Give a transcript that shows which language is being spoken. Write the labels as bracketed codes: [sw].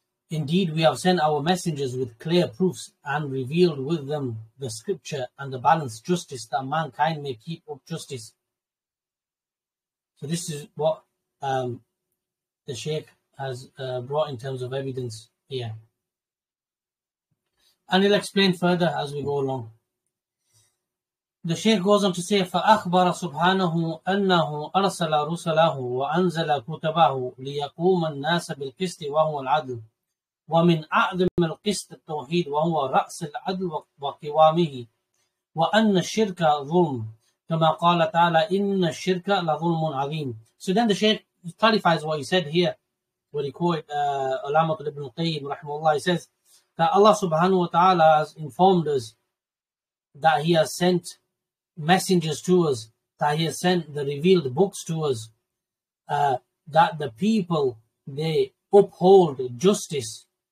[en] Indeed, we have sent our messengers with clear proofs and revealed with them the scripture and the balanced justice that mankind may keep up justice. So this is what the Shaykh has brought in terms of evidence here. And he'll explain further as we go along. The Shaykh goes on to say, [ar] فَأَخْبَرَ سُبْحَانَهُ أَنَّهُ أَرْسَلَ رُسَلَهُ وَأَنزَلَ كُتَبَهُ لِيَقُومَ النَّاسَ بِالْقِسْطِ وَهُوَ الْعَدْلُ وَمِنْ أَعْظَمِ الْقِسْطِ التَّوْحِيدُ وَهُوَ رَأْسُ الْعَدْلِ وَقِوَامِهِ وَأَنَّ الشِّرْكَ ظُلْمٌ كَمَا قَالَ تَعَالَى إِنَّ الشِّرْكَ لَظُلْمٌ عَظِيمٌ. [en] So then the Shaykh clarifies what he said here, what he quoted Alamatul Ibn Qayyim rahimahullah. He says that Allah subhanahu wa ta'ala has informed us that he has sent messengers to us, that he has sent the revealed books to us, that the people, they uphold justice,